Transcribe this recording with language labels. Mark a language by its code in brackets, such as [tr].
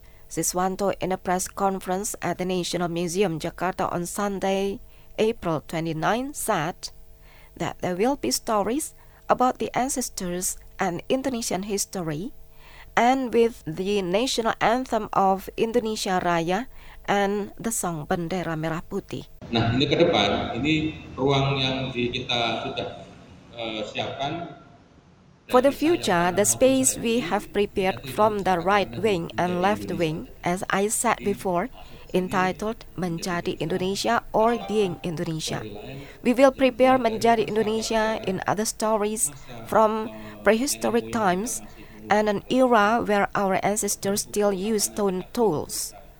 [en] Siswanto, in a press conference at the National Museum, Jakarta on Sunday, April 29, said that there will be stories about the ancestors and Indonesian history, and with the national anthem of Indonesia Raya and the song Bendera Merah Putih. [id] Nah, ini ke depan, ini ruang yang kita sudah siapkan. [en] For the future, the space we have prepared from the right wing and left wing, as I said before, entitled Menjadi Indonesia or Being Indonesia. We will prepare Menjadi Indonesia in other stories from prehistoric times and an era where our ancestors still used stone tools.